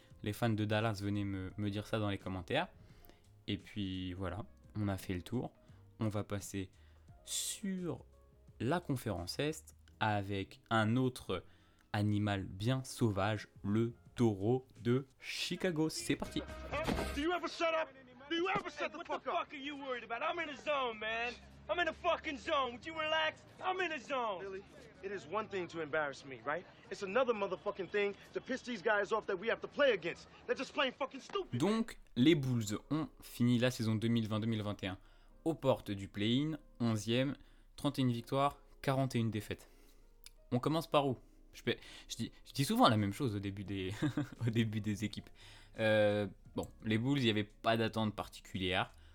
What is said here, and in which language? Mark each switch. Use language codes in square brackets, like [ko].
[fr] Les fans de Dallas, venez me dire ça dans les commentaires. Et puis voilà, on a fait le tour. On va passer sur la conférence Est avec un autre animal bien sauvage, le taureau de Chicago. C'est parti. [en] Do you ever shut up? Do you ever shut the fuck up? What the fuck are you worried about? I'm in a zone, man. I'm in a fucking zone. Would you relax? I'm in a zone. Billy, it is one thing to embarrass me, right? It's another motherfucking thing to piss these guys off that we have to play against. They're just plain fucking stupid. [fr] Donc, les Bulls ont fini la saison 2020-2021 aux portes du play-in, 11e. 31 victoires, 41 défaites. On commence par où? Je dis souvent la même chose au début des, au début des équipes. Bon, les Bulls, il n'y avait pas d'attente particulière.